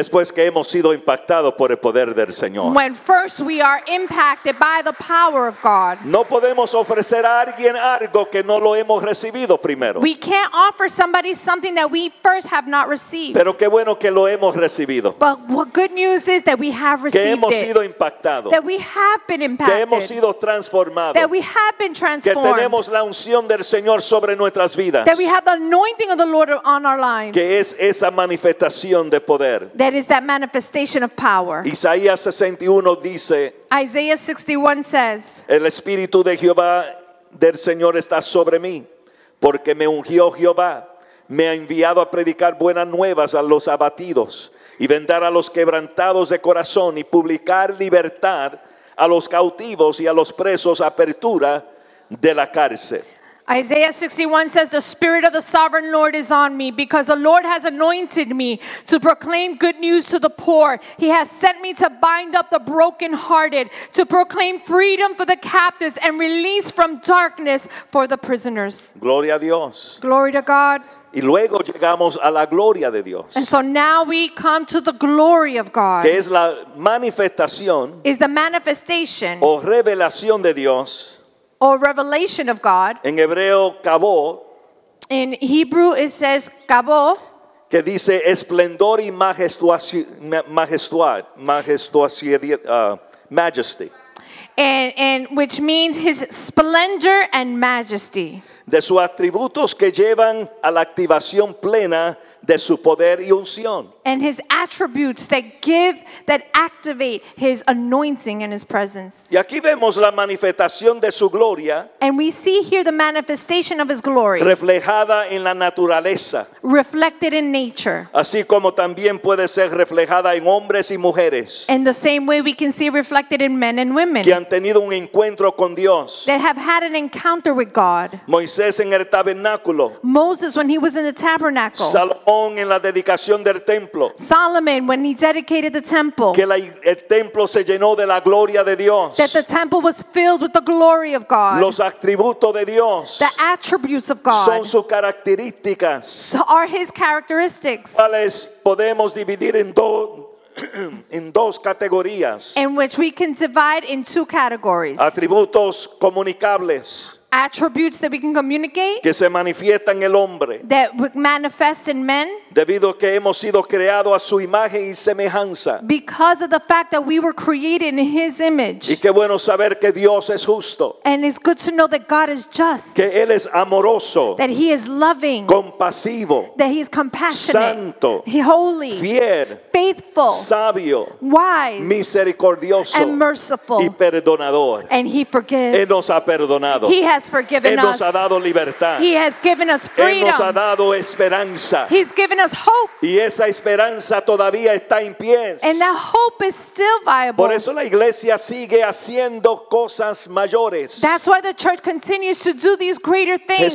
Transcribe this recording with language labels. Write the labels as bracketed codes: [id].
[es] Después que hemos sido impactados por el poder del Señor. [en] When first we are impacted by the power of God. [es] No podemos ofrecer a alguien algo que no lo hemos recibido primero. [en] We can't offer somebody something that we first have not received. [es] Pero qué bueno que lo hemos recibido. [en] But what good news is that we have received. [es] Que hemos sido impactados. [en] That we have been impacted. [es] Que hemos sido transformados. [en] We have been transformed. [es] Que tenemos la unción del Señor sobre nuestras vidas. [en] That we have the anointing of the Lord on our lives. [es] Que es esa manifestación de poder. [en] That is that manifestation of power. [es] Isaías 61 dice. [en] Isaiah 61 says. [es] El Espíritu de Jehová del Señor está sobre mí, porque me ungió Jehová, me ha enviado a predicar buenas nuevas a los abatidos, y vendar a los quebrantados de corazón, y publicar libertad a los cautivos, y a los presos apertura de la cárcel. [en] Isaiah 61 says, the Spirit of the Sovereign Lord is on me, because the Lord has anointed me to proclaim good news to the poor. He has sent me to bind up the brokenhearted, to proclaim freedom for the captives and release from darkness for the prisoners. [es] Gloria a Dios. [en] Glory to God. [es] Y luego llegamos a la gloria de Dios. [en] And so now we come to the glory of God. [es] Que es la manifestación. [en] Is the manifestation. [es] O revelación de Dios. [en] Or revelation of God. [es] En hebreo, kavó. [en] In Hebrew it says kavó. [es] Que dice esplendor y [en] majesty. And which means his splendor and majesty. [es] De sus atributos que llevan a la activación plena de su poder y unción. [en] And his attributes that give, that activate his anointing and his presence. [es] Y aquí vemos la manifestación de su gloria. [en] And we see here the manifestation of his glory. [es] Reflejada en la naturaleza. [en] Reflected in nature. [es] Así como también puede ser reflejada en hombres y mujeres. [en] In the same way we can see reflected in men and women. [es] Que han tenido un encuentro con Dios. [en] That have had an encounter with God. [es] Moisés en el tabernáculo. [en] Moses when he was in the tabernacle. [es] Salomón en la dedicación del templo. [en] Solomon, when he dedicated the temple, [es] que el templo se llenó de la gloria de Dios. [en] That the temple was filled with the glory of God. [es] Los atributos de Dios, [en] the attributes of God, [es] son sus características. [en] So are his characteristics. [es] ¿Cuáles podemos dividir en dos? En dos categorías. [en] In which we can divide in two categories. [es] Atributos comunicables. [en] Attributes that we can communicate. [es] Que se manifiesta en el hombre. [en] That we manifest in men. [es] Debido que hemos sido creados a su imagen y semejanza. [en] Because of the fact that we were created in his image. [es] Y qué bueno saber que Dios es justo. [en] And it's good to know that God is just. [es] Que él es amoroso. [en] That he is loving. [es] Compasivo. [en] That he is compassionate. [es] Santo. [en] He holy. [es] Fiel. [en] Faithful. [es] Sabio. [en] Wise. [es] Misericordioso. [en] And merciful. [es] Y perdonador. [en] And he forgives. [es] Él nos ha perdonado. [en] He has forgiven [es] él nos Ha dado libertad. [en] He has given us freedom. [es] Él nos ha dado esperanza. [en] He's given us hope. [es] Y esa esperanza todavía está en pie. [en] And that hope is still viable. [es] Por eso la iglesia sigue haciendo cosas mayores. [en] That's why the church continues to do these greater things.